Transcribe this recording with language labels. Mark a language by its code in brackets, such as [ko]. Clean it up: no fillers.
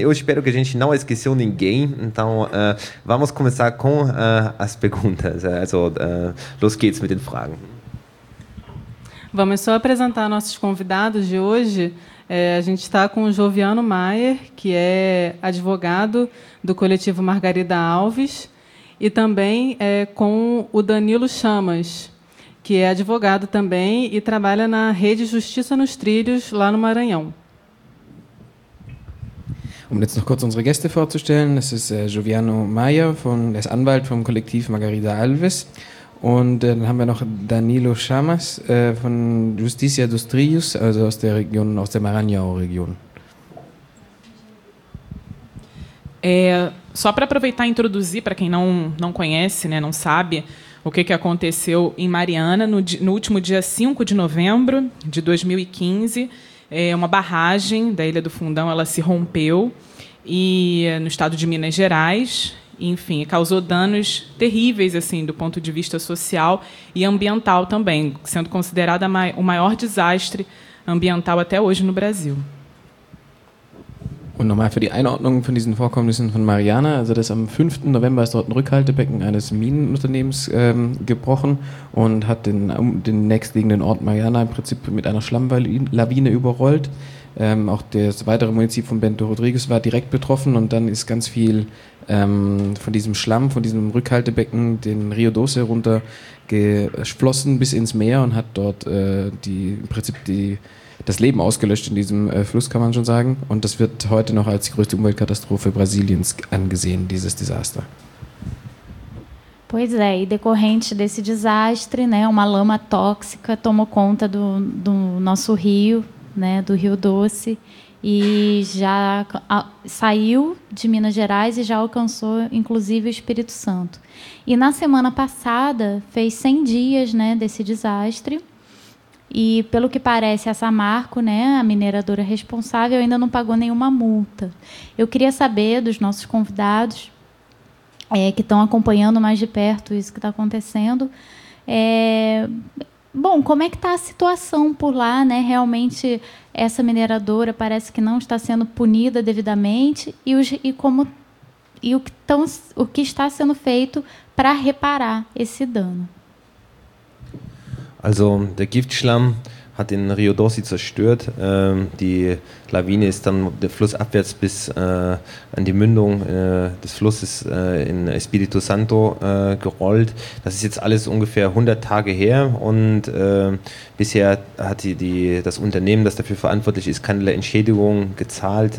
[pt] Eu espero que a gente não esqueceu ninguém. Então, vamos começar com as perguntas. [de] Also, los geht's mit den Fragen. [pt] Vamos só apresentar nossos convidados de hoje. A gente está com o Joviano Maier, que é advogado do coletivo Margarida Alves, e também com o Danilo Chamas, que é advogado também e trabalha na Rede Justiça nos Trilhos, lá no Maranhão. [de] Jetzt noch kurz unsere Gäste vorzustellen, das ist Joviano Maier, der ist Anwalt vom Kollektiv Margarida Alves. Und dann haben wir noch Danilo Chamas von Justiça dos Trilhos, also aus der Region, aus der Maranhão-Region. [pt] Só para aproveitar e introduzir, para quem não conhece, né, não sabe, o que aconteceu em Mariana no último dia 5 de novembro de 2015. Uma barragem da Ilha do Fundão ela se rompeu e no estado de Minas Gerais. Enfim, causou danos terríveis assim, do ponto de vista social e ambiental também, sendo considerada o maior desastre ambiental até hoje no Brasil. [de] Und nochmal für die Einordnung von diesen Vorkommnissen von Mariana, also das am 5. November ist dort ein Rückhaltebecken eines Minenunternehmens gebrochen und hat den nächstliegenden Ort Mariana im Prinzip mit einer Schlammlawine überrollt. Auch das weitere Munizip von Bento Rodrigues war direkt betroffen und dann ist ganz viel von diesem Schlamm, von diesem Rückhaltebecken, den Rio Doce runter geflossen bis ins Meer und hat dort im Prinzip die das Leben ausgelöscht in diesem Fluss, kann man schon sagen. Und das wird heute noch als die größte Umweltkatastrophe Brasiliens angesehen, dieses Desaster. [pt] Pois é, e decorrente desse desastre, né, uma lama tóxica tomou conta do, do nosso rio, né, do Rio Doce, e já saiu de Minas Gerais e já alcançou, inclusive, o Espírito Santo. E na semana passada, fez 100 dias, né, desse desastre, e, pelo que parece, a Samarco, né, a mineradora responsável, ainda não pagou nenhuma multa. Eu queria saber dos nossos convidados, é, que estão acompanhando mais de perto isso que está acontecendo. É, bom, como é que está a situação por lá, né? Realmente, essa mineradora parece que não está sendo punida devidamente. E, os, e, como, e o, que tão, o que está sendo feito para reparar esse dano? [de] Also, der Giftschlamm hat den Rio Doce zerstört. Die Lawine ist dann der Fluss abwärts bis an die Mündung des Flusses in Espírito Santo gerollt. Das ist jetzt alles ungefähr 100 Tage her und bisher hat das Unternehmen, das dafür verantwortlich ist, keine Entschädigung gezahlt.